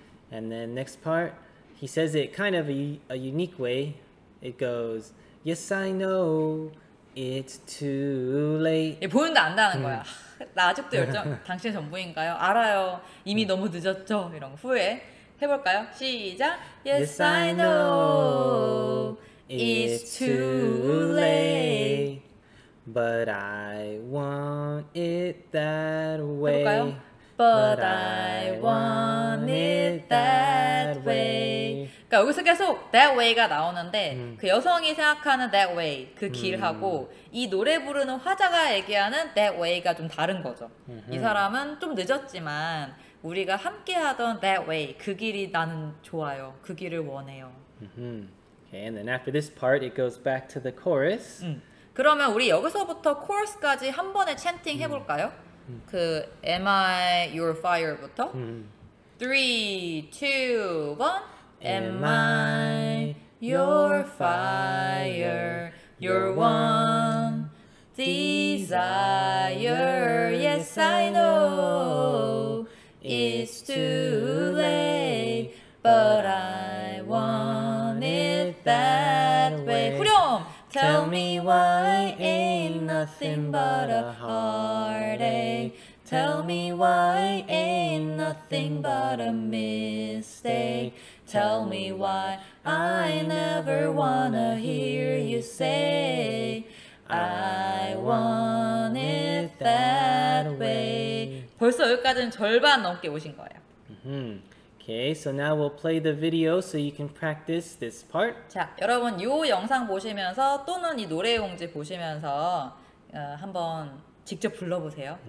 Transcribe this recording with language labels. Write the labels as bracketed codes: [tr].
[en] And then next part, he says it kind of a unique way. It goes, yes, I know, it's too late. [ko] 예, 보인다, 안다는 거야. 나 아직도 열정, 당신 전부인가요? 알아요, 이미 너무 늦었죠? 이런 거 후회 해볼까요? 시작! [en] Yes, I know, it's too late, but I want it that way. [ko] 해볼까요? [en] But I want it that way. [ko] 그러니까 여기서 계속 [en] that way [ko] 가 나오는데 그 여성이 생각하는 that way, 그 길하고 이 노래 부르는 화자가 얘기하는 that way가 좀 다른 거죠. 이 사람은 좀 늦었지만 우리가 함께 하던 [en] that way, [ko] 그 길이 나는 좋아요. 그 길을 원해요. [en] Okay, and then after this part, it goes back to the chorus. [ko] 그러면 우리 여기서부터 chorus까지 한 번에 chanting 해볼까요? 그 [en] Am I Your Fire [ko] 부터 3, 2, 1 [en] Am I Your Fire, Your One Desire? Yes, I know it's too late, but I want it that way. [ko] 후렴! [en] Tell me why ain't nothing but a heartache. Tell me why ain't nothing but a mistake. Tell me why I never wanna hear you say I want it that way. [ko] 벌써 여기까지는 절반 넘게 오신 거예요. [en] Okay, so now we'll play the video so you can practice this part. [ko] 자, 여러분 이 영상 보시면서 또는 이 노래 공지 보시면서 한번 직접 불러보세요.